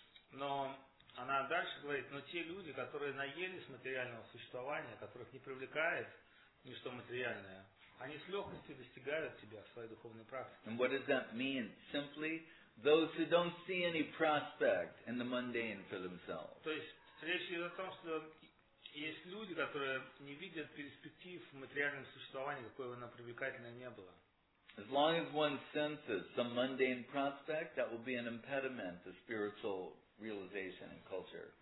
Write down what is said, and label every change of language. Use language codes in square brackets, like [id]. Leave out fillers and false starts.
[ru] Но она дальше говорит, но те люди, которые наелись материального существования, которых не привлекает ничто материальное, они с легкостью достигают тебя в своей духовной практике. [en] And what does that mean? Simply, those who don't see any prospect in the mundane for themselves. [ru] То есть речь идет о том, что есть люди, которые не видят перспектив в материальном существовании, какое бы оно привлекательное не было. [en] As long as one senses some mundane prospect, that will be an impediment to spiritual realization and culture.